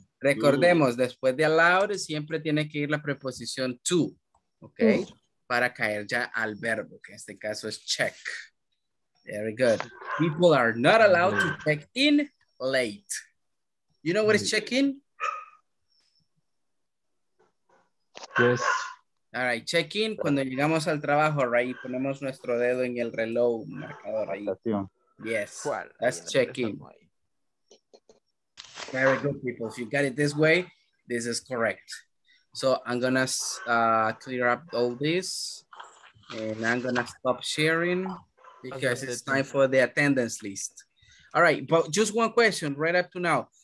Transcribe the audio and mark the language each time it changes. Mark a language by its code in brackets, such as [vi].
[es] Recordemos, después de allowed, siempre tiene que ir la preposición to, ¿ok? Para caer ya al verbo, que en este caso es check. [en] Very good. People are not allowed to check in late. You know what is check in? Yes. All right, check in, [es] cuando llegamos al trabajo, right, ponemos nuestro dedo en el reloj, marcador ahí. [en] Yes, that's check in. Very good, people. If you got it this way, this is correct. So I'm gonna clear up all this, and I'm gonna stop sharing, because it's time for the attendance list. All right, but just one question, right up to now.